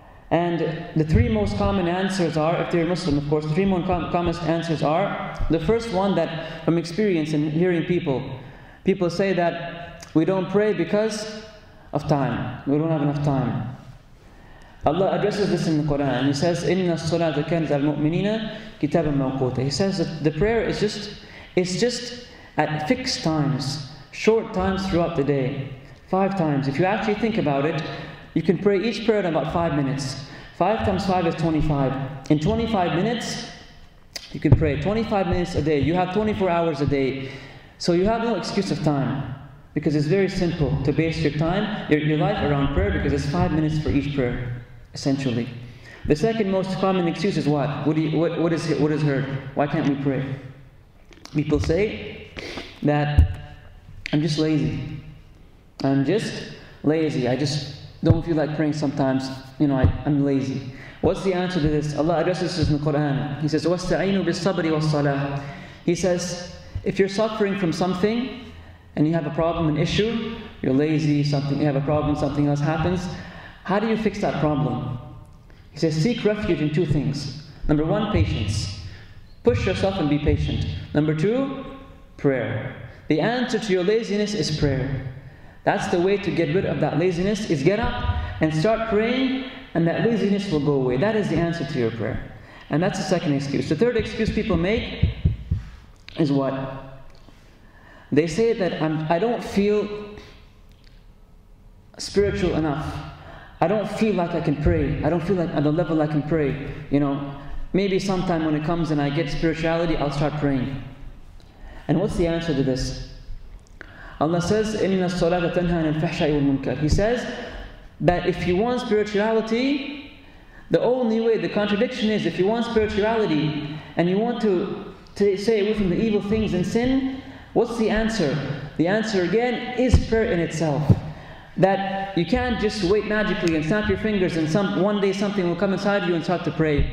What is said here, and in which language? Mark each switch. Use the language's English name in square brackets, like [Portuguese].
[English] And the three most common answers are, if they're Muslim, of course, the three most common answers are, the first one that, from experience and hearing people say that we don't pray because of time. We don't have enough time. Allah addresses this in the Quran. He says, [Arabic] إِنَّ الصَّلَاةَ كَانَتْ عَلَى الْمُؤْمِنِينَ كِتَابًا مَوْقُوتًا. [English] He says that the prayer is just, it's just at fixed times, short times throughout the day, five times. If you actually think about it, you can pray each prayer in about 5 minutes. 5 times 5 is 25. In 25 minutes, you can pray 25 minutes a day. You have 24 hours a day. So you have no excuse of time, because it's very simple to base your time, your life around prayer, because it's 5 minutes for each prayer, essentially. The second most common excuse is what? What is heard? Why can't we pray? People say that I'm just lazy. I just don't feel like praying sometimes. You know, I'm lazy. What's the answer to this? Allah addresses this in the Quran. He says, [Arabic] وَاسْتَعِينُوا بِالصَّبْرِ وَالصَّلَاةِ. [English] He says, if you're suffering from something and you have a problem, an issue, you're lazy, something, you have a problem, something else happens, how do you fix that problem? He says, seek refuge in two things. Number one, patience. Push yourself and be patient. Number two, prayer. The answer to your laziness is prayer. That's the way to get rid of that laziness, is get up and start praying, and that laziness will go away. That is the answer to your prayer. And that's the second excuse. The third excuse people make is what? They say that I don't feel spiritual enough. I don't feel like I can pray. I don't feel like at the level I can pray. You know, maybe sometime when it comes and I get spirituality, I'll start praying. And what's the answer to this? Allah says, [Arabic] إِنَّ الصَّلَاةَ تَنْهَى عَنِ الْفَحْشَاءِ وَالْمُنكَرِ. [English] He says that if you want spirituality, the only way, the contradiction is, if you want spirituality and you want to stay away from the evil things and sin, what's the answer? The answer again is prayer in itself. That you can't just wait magically and snap your fingers and one day something will come inside you and start to pray.